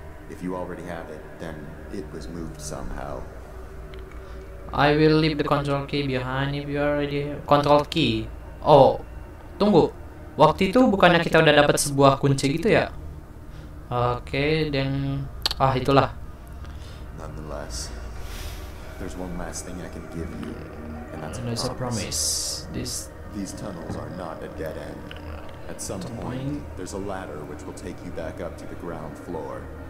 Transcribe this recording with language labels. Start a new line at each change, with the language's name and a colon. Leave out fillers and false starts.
English: If you already have it, then it was moved somehow. I will leave the control key behind if you already have control key.
Indonesian: Oh, tunggu. Waktu itu bukannya kita udah dapat sebuah kunci gitu ya? Oke, dan itulah.
English: Nonetheless, there's one last thing I can give you, and that's a promise. These tunnels are not a dead end. At some point, there's a ladder which will take you back up to the ground floor.